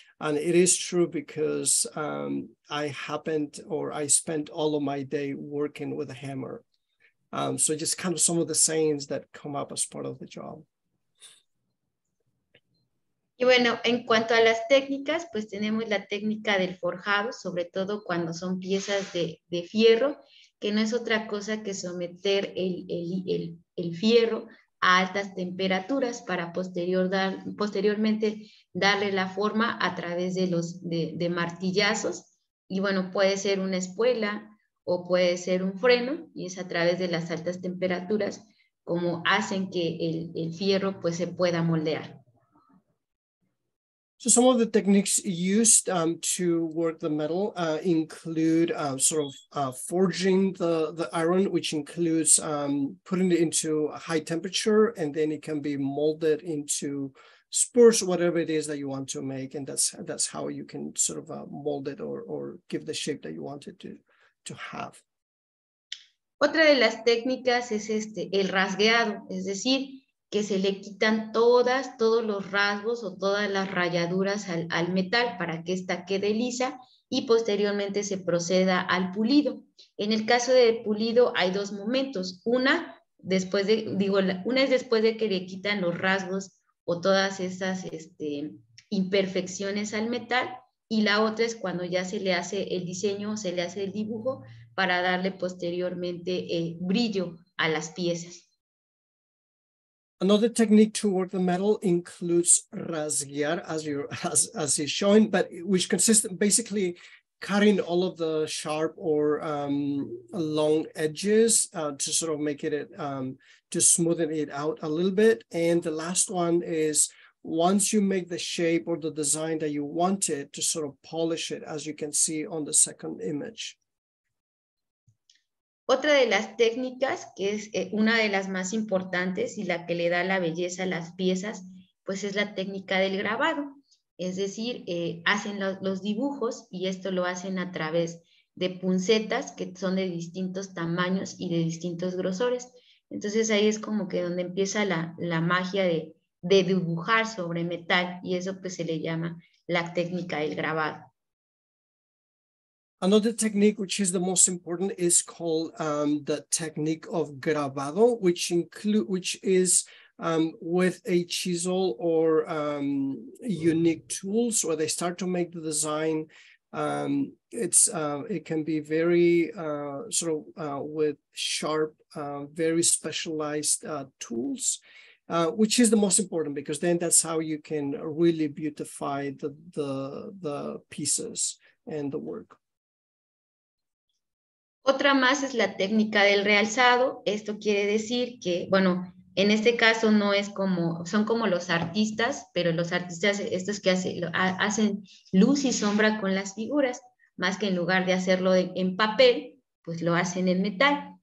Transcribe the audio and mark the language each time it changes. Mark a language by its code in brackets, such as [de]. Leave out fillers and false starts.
[en] And it is true, because I spent all of my day working with a hammer. So just kind of some of the sayings that come up as part of the job. [es] Y bueno, en cuanto a las técnicas, pues tenemos la técnica del forjado, sobre todo cuando son piezas de fierro, que no es otra cosa que someter el fierro a altas temperaturas para posteriormente darle la forma a través de los de martillazos. Y bueno, puede ser una espuela o puede ser un freno, y es a través de las altas temperaturas como hacen que el fierro pues se pueda moldear. [en] So some of the techniques used to work the metal include forging the iron, which includes putting it into a high temperature, and then it can be molded into spurs, whatever it is that you want to make, and that's how you can sort of mold it or give the shape that you want it to have. [es] Otra de las técnicas es el rasgueado, es decir, que se le quitan todos los rasgos o todas las rayaduras al metal para que ésta quede lisa, y posteriormente se proceda al pulido. En el caso de pulido hay dos momentos. Una es después de que le quitan los rasgos o todas esas imperfecciones al metal, y la otra es cuando ya se le hace el diseño, se le hace el dibujo para darle posteriormente brillo a las piezas. [en] Another technique to work the metal includes rasguear, as you're showing, but which consists of basically cutting all of the sharp or long edges to sort of make it to smoothen it out a little bit. And the last one is, once you make the shape or the design that you want it, to sort of polish it, as you can see on the second image. [es] Otra de las técnicas, que es una de las más importantes y la que le da la belleza a las piezas, pues es la técnica del grabado. Es decir, hacen los dibujos, y esto lo hacen a través de punzetas que son de distintos tamaños y de distintos grosores. Entonces ahí es como que donde empieza la magia de dibujar sobre metal, y eso pues se le llama la técnica del grabado. [en] Another technique, which is the most important, is called the technique of grabado, which is with a chisel or unique tools, where they start to make the design. It can be very with sharp, very specialized tools, which is the most important, because then that's how you can really beautify the pieces and the work. [es] Otra más es la técnica del realzado. Esto quiere decir que, bueno, en este caso no es como, son como los artistas, pero los artistas estos que hacen luz y sombra con las figuras, más que en lugar de hacerlo en papel, pues lo hacen en metal.